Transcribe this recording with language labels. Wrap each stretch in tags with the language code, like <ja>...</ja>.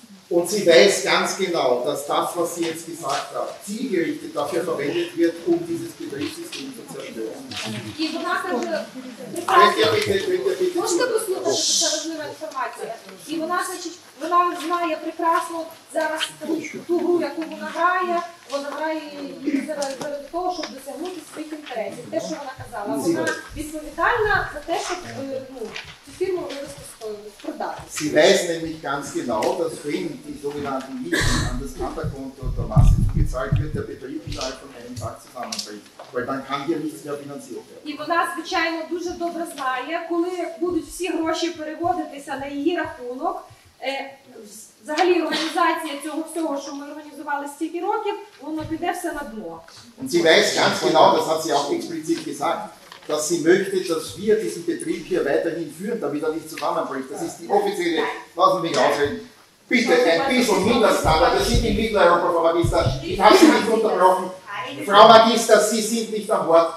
<de>Und sie weiß ganz genau, dass das, was sie jetzt gesagt hat, zielgerichtet dafür verwendet wird, um dieses Betriebssystem zu zerstören.</de> <uk>Вона знає прекрасно зараз ту гру, яку вона грає її заради того, щоб досягнути своїх інтересів. Те, що вона казала, вона відповідальна за те, щоб ну, цю фірму розпродати.</uk> <de>Sie weiß nämlich ganz genau, dass wenn die sogenannten Mieten an das Kantakonto der Masse gezahlt wird, der Betrieb innerhalb von einem Tag zusammenbricht. Weil dann kann hier nichts mehr finanziert werden.</de> <uk>І вона, звичайно, дуже добре знає, коли будуть всі гроші переводитися на її рахунок, взагалі організація цього всього, що ми організували стільки років, воно піде все на дно.</uk> <de>Sie weiß ganz genau, das hat sie auch explizit gesagt, dass sie möchte, dass wir diesen Betrieb hier weiterhin führen, damit er nicht zusammenbricht. Das ist die offizielle, lass mich ausreden. Bitte, ein bisschen Mindeststandard, das sind die Mitteleuropa, Frau Magister. Ich habe Sie nicht unterbrochen. Frau Magister, Sie sind nicht am Wort.</de>